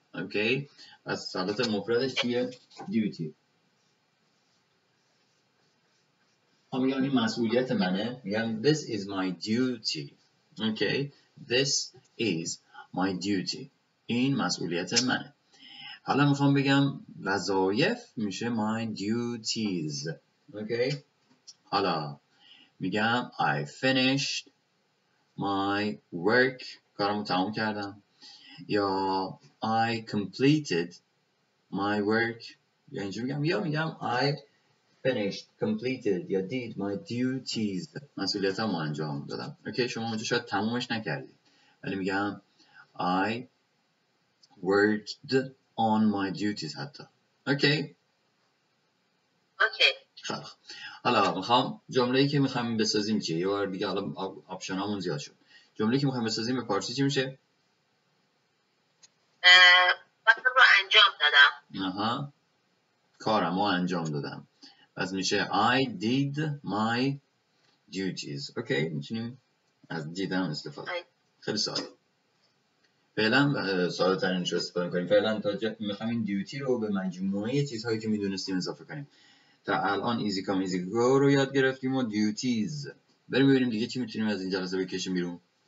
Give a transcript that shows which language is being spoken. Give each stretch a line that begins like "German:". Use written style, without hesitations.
Persian: اوکی از حالت مفردش چیه؟ دیوتی هم میگم این مسئولیت منه. میگم
English: This is my duty. Okay This is my duty.
Persian: این مسئولیت منه. حالا میخوام بگم وظایف میشه
English: my duties. Okay.
Persian: حالا میگم
English: I finished my work.
Persian: کارمو تموم کردم.
English: یا I completed my work.
Persian: یا اینجور میگم. یا میگم
English: I finished, completed, یا did my duties.
Persian: مسئولیت همو انجام دادم. Okay. شما اونجا شاید تمومش نکردید. ولی میگم
English: I worked on my duties
Persian: حتی. اوکی؟ اوکی. خیلی. حالا میخوام جمله‌ای که میخوام بسازیم چیه؟ یه بار دیگه حالا آپشنامون زیاد شد. جمله‌ای که میخوام بسازیم به پارسی چی میشه؟ کارم رو انجام دادم. آها. کارم رو انجام دادم. پس میشه I did my duties. اوکی؟ میتونیم از دیدم استفاده. خیلی ساده. فعلا ساده ترین رو استفاده کنیم. فعلا تا میخوام این دیوتی رو به مجموعه چیزهایی که میدونستیم اضافه کنیم. تا الان ایزی کام ایزی گو رو یاد گرفتیم و دیوتیز. بریم ببینیم دیگه چی میتونیم از این جلسه بکشیم بیرون.